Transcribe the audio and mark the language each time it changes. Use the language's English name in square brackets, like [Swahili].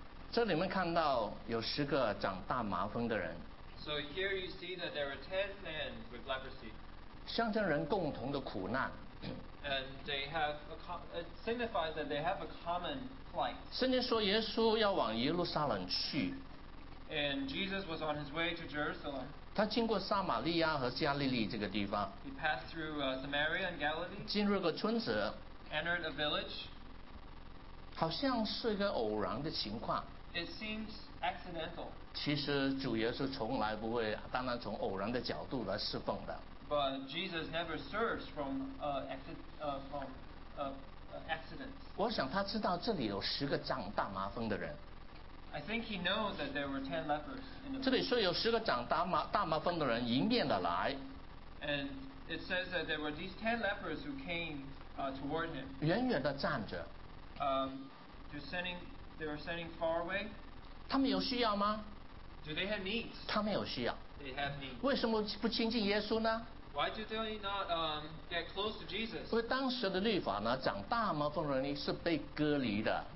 [Chinese] 这里面看到有十个长大麻风的人。 [English] So here you see that there are 10 men with leprosy. [Chinese] 象征人共同的苦难。 [English] And they have signifies that they have a common plight. [Chinese] 圣经说耶稣要往耶路撒冷去。 [English] And Jesus was on his way to Jerusalem. [Chinese] 他经过撒玛利亚和加利利这个地方 [English] He passed through Samaria and Galilee [Chinese] 进入个村子 [English] Entered a village [Chinese] 好像是一个偶然的情况 [English] It seems accidental [Chinese] 其实主耶稣从来不会当然从偶然的角度来侍奉的 [English] But Jesus never serves from accidents [Chinese] 我想他知道这里有十个长大麻风的人 [English] I think he knows that there were 10 lepers in the village. [Chinese] 这里说有十个长大麻风的人迎面的来。 [English] And it says that there were these 10 lepers who came toward him. [Chinese] 远远的站着。 [English] They were standing far away. [Chinese] 他们有需要吗？ [English] Do they have needs? [Chinese] 他们有需要。 [English] They have needs. [Chinese] 为什么不亲近耶稣呢？ [English] Why do they not get close to Jesus? [Chinese] 因为当时的律法呢，长大麻风人是被隔离的。